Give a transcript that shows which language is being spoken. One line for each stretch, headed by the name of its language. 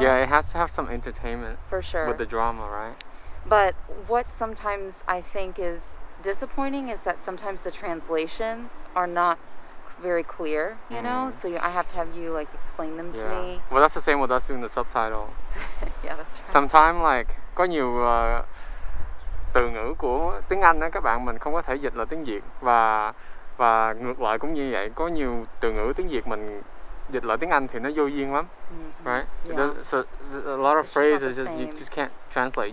English: Yeah, it has to have some entertainment. For sure. With the drama, right? But what sometimes I think is disappointing is that sometimes the translations are not very clear, you know? So I have to have you, like, explain them to me. Well, that's the same with us doing the subtitle. Yeah, that's right. Sometimes, like,
Vietnamese: có nhiều từ ngữ của tiếng Anh á, các bạn mình không có thể dịch là tiếng Việt. Và ngược lại cũng như vậy, có nhiều từ ngữ tiếng Việt mình dịch là tiếng Anh thì nó vô duyên lắm.
English: Right? Yeah. So, a lot of phrases, you just can't translate.